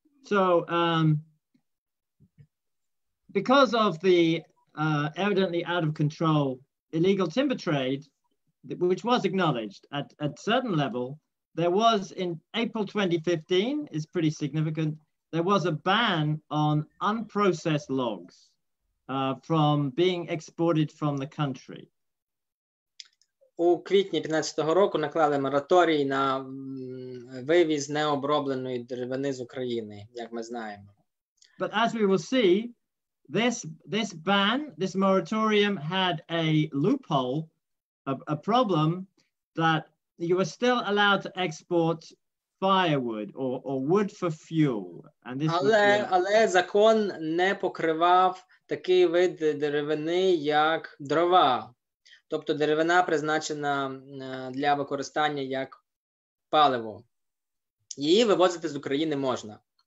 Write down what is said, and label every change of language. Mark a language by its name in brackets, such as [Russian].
[English] So, because of the evidently out of control illegal timber trade, which was acknowledged at certain level, there was in April 2015, is pretty significant, there was a ban on unprocessed logs from being exported from the country. [Ukrainian] У квітні 15-го року наклали мораторій на вивіз необробленої деревини з України, як ми знаємо. [English] But as we will see, this ban, this moratorium had a loophole, a problem that you were still allowed to export firewood or wood for fuel. And this [Ukrainian] але закон не покривав такий вид деревини, як дрова. Тобто деревина призначена для використання як паливо. Її вивозити з України можна.